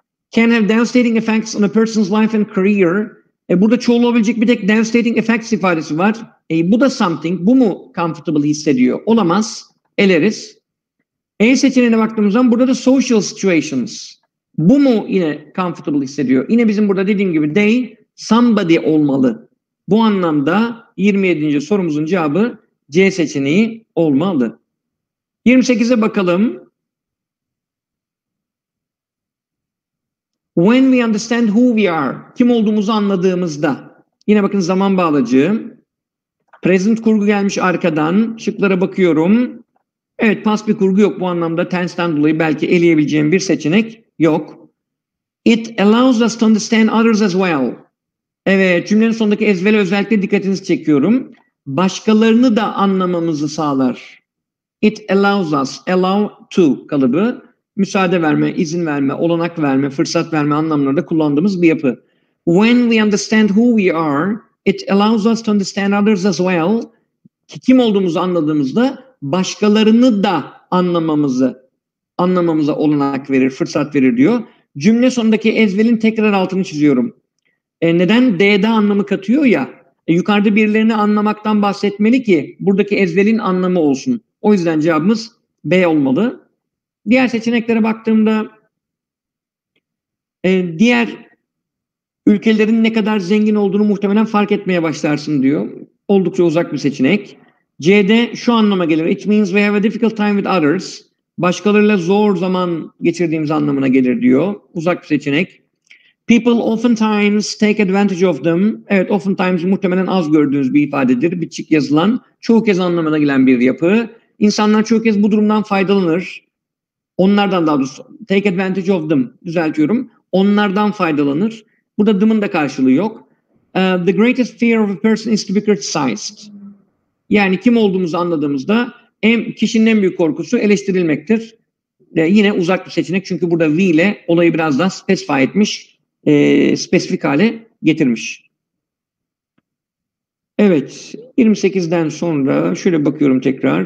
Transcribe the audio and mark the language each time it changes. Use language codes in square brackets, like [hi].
[en] Can have devastating effects on a person's life and career. [tr] Burada çoğul olabilecek bir tek devastating effects ifadesi var. Bu da something. Bu mu comfortable hissediyor? Olamaz. Eleriz. E seçeneğine baktığımız zaman burada da social situations. Bu mu yine comfortable hissediyor? Yine bizim burada dediğim gibi they, somebody olmalı. Bu anlamda 27. sorumuzun cevabı C seçeneği olmalı. 28'e bakalım. [en] When we understand who we are, [tr] kim olduğumuzu anladığımızda. Yine bakın zaman bağlacı. Present kurgu gelmiş arkadan. Şıklara bakıyorum. Evet, past bir kurgu yok bu anlamda. Tense'den dolayı belki eleyebileceğim bir seçenek yok. [en] It allows us to understand others as well. [tr] Evet, cümlenin sonundaki ezvele özellikle dikkatinizi çekiyorum. başkalarını da anlamamızı sağlar. [en] It allows us, [tr] allow to kalıbı, müsaade verme, izin verme, olanak verme, fırsat verme anlamlarında kullandığımız bir yapı. [en] When we understand who we are, it allows us to understand others as well. [tr] Kim olduğumuzu anladığımızda başkalarını da anlamamıza olanak verir, fırsat verir diyor. Cümle sonundaki as well'in tekrar altını çiziyorum. Neden? D'de anlamı katıyor ya. Yukarıda birilerini anlamaktan bahsetmeli ki buradaki as well'in anlamı olsun. O yüzden cevabımız B olmalı. Diğer seçeneklere baktığımda diğer ülkelerin ne kadar zengin olduğunu muhtemelen fark etmeye başlarsın diyor. Oldukça uzak bir seçenek. C'de şu anlama gelir. [en] It means we have a difficult time with others. [tr] Başkalarıyla zor zaman geçirdiğimiz anlamına gelir diyor. Uzak bir seçenek. [en] People oftentimes take advantage of them. [tr] Evet, oftentimes muhtemelen az gördüğünüz bir ifadedir. Biçik yazılan, çoğu kez anlamına gelen bir yapı. İnsanlar çoğu kez bu durumdan faydalanır. Onlardan daha doğrusu, [en] take advantage of them, [tr] düzeltiyorum. Onlardan faydalanır. Burada them'ın da karşılığı yok. [en] The greatest fear of a person is to be criticized. [tr] Yani kim olduğumuzu anladığımızda kişinin en büyük korkusu eleştirilmektir. Yine uzak bir seçenek çünkü burada we ile olayı biraz daha specify etmiş, spesifik hale getirmiş. Evet, 28'den sonra şöyle bakıyorum tekrar.